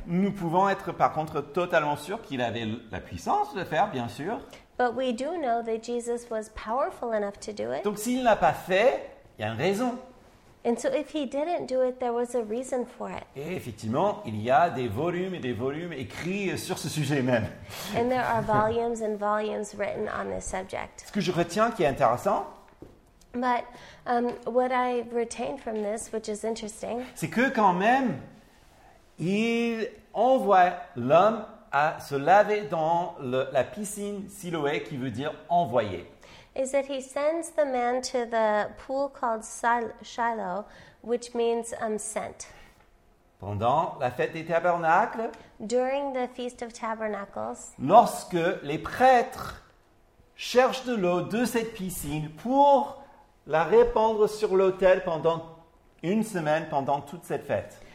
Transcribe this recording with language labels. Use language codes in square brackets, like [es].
[fr] Nous pouvons être par contre totalement sûrs qu'il avait la puissance de le faire, bien sûr. [en] But we do know that Jesus was powerful enough to do it. [fr] Donc s'il ne l'a pas fait, il y a une raison. [en] And so if he didn't do it, there was a reason for it. [fr] Et effectivement, il y a des volumes et des volumes écrits sur ce sujet même. [en] And there are volumes and volumes written on this subject. [fr] Ce que je retiens qui est intéressant, [en] but what I retain from this, which is interesting, [fr] c'est que quand même, il envoie l'homme à se laver dans la piscine Siloé, qui veut dire envoyer. [en] Is that he sends the man to the pool called Shiloh, which means sent. [fr] Pendant la fête des tabernacles, [en] during the Feast of Tabernacles, [fr] lorsque les prêtres cherchent de l'eau de cette piscine pour la répandre sur l'autel pendant une semaine, pendant toute cette fête.